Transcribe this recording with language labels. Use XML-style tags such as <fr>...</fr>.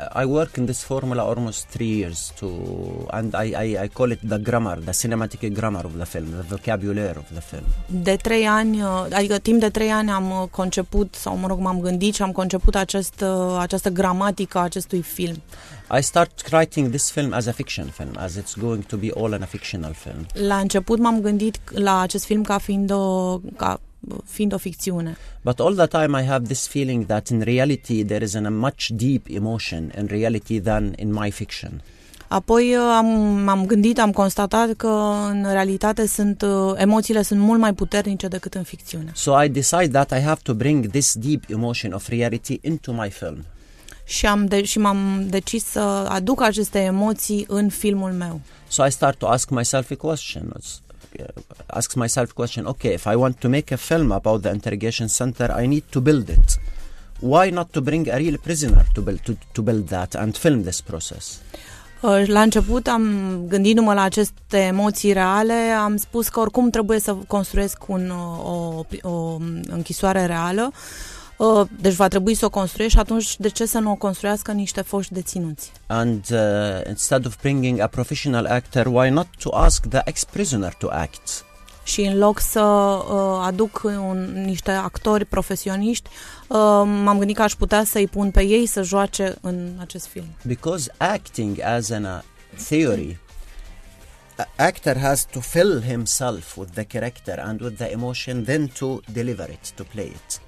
<en>I work in this formula almost 3 years and I call it the grammar, the cinematic grammar of the film, the vocabulary of the film.</en> <ro>De 3 ani, adică timp de 3 ani am conceput, sau mă rog, m-am gândit și am conceput această gramatică acestui film.</ro> <en>I start writing this film as a fiction film, as it's going to be all in a fictional film.</en> <ro>La început m-am gândit la acest film ca fiind o ficțiune.</ro> <en>But all the time I have this feeling that in reality there is a much deep emotion in reality than in my fiction.</en> <ro>Apoi am constatat că în realitate emoțiile sunt mult mai puternice decât în ficțiune.</ro> <en>So I decide that I have to bring this deep emotion of reality into my film.</en> <ro>Și m-am decis să aduc aceste emoții în filmul meu.</ro> <en>So I start to ask myself a question. Asks myself question, okay, if I want to make a film about the interrogation center, I need to build it. Why not to bring a real prisoner to build that and film this process?</en> <ro>La început, am gândindu-mă la aceste emoții reale, am spus că oricum trebuie să construiesc o închisoare reală, deci va trebui să o construiesc, și atunci de ce să nu o construiască niște foști deținuți?</ro> <en>And instead of bringing a professional actor, why not to ask the ex-prisoner to act?</en> <ro>și în loc să aduc niște actori profesioniști, m-am gândit că aș putea să-i pun pe ei să joace în acest film.</ro> <en>Because acting as in a theory, an actor has to fill himself with the character and with the emotion, then to deliver it, to play it.</en>